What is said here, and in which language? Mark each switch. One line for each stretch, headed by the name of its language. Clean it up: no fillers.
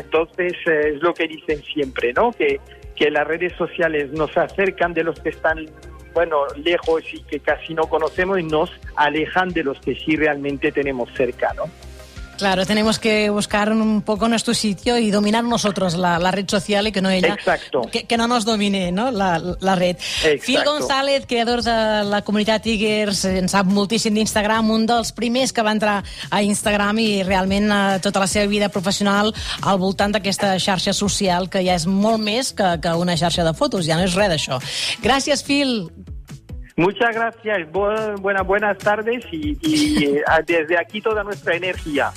Spanish: Entonces es lo que dicen siempre, ¿no? Que las redes sociales nos acercan de los que están bueno, lejos y que casi no conocemos, y nos alejan de los que sí realmente tenemos cerca, ¿no? Claro, tenemos que buscar un poco nuestro sitio y dominar nosotros la red social y que no ella. Exacto. Que no nos domine, ¿no?, la red. Exacto.
Catalan: Phil González, creador de la comunitat Eagers, en sap moltíssim d'Instagram, un dels primers que va entrar a Instagram i realment tota la seva vida professional al voltant d'aquesta xarxa social, que ja és molt més que una xarxa de fotos, ja no és res d'això. Gràcies, Phil.
Spanish: Muchas gracias, buenas tardes y desde aquí toda nuestra energía.